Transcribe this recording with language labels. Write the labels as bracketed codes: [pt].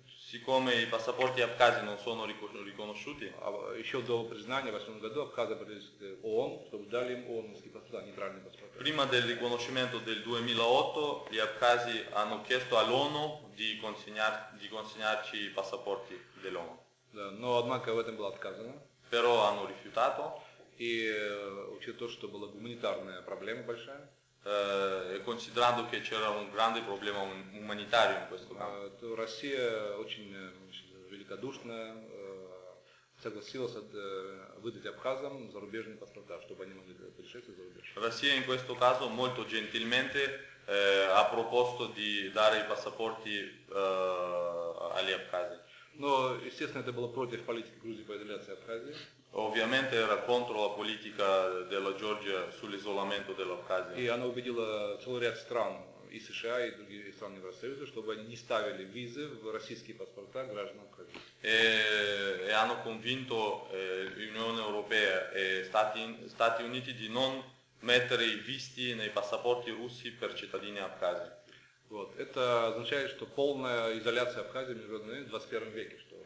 [it] siccome i passaporti abkhazi non sono riconosciuti, [ru] еще до признания в 2008 году абхазы обратились к ООН, чтобы дали им ООНские паспорта, нейтральные паспорта. [it] Prima del riconoscimento del 2008, gli abkhazi hanno chiesto all'ONU di consegnarci i passaporti dell'ONU. [ru] Да, но однако в этом было отказано. [it] Però hanno rifiutato. [ru] И учитывая то, что была гуманитарная проблема большая. [it] Considerando che c'era un grande problema umanitario in questo caso. [ru] Russia очень великодушно согласилась выдать абхазам зарубежные паспорта, чтобы они могли путешествовать за рубеж. [it] Russia in questo caso molto gentilmente ha proposto di dare i passaporti agli abkhazi. [ru] Но, естественно, это было против политики Грузии по изоляции Абхазии. [it] Ovviamente era contro la politica della Georgia sull'isolamento dell'Abkhazia. [ru] И она убедила целый ряд стран, и США, и другие страны Евросоюза, чтобы они не ставили визы в российские паспорта граждан Абхазии. [it] E hanno convinto l'Unione Europea e Stati Uniti di non mettere i visti nei passaporti russi per cittadini Абхазии. [ru] Вот. Это означает, что полная изоляция Абхазии в международном 21 веке.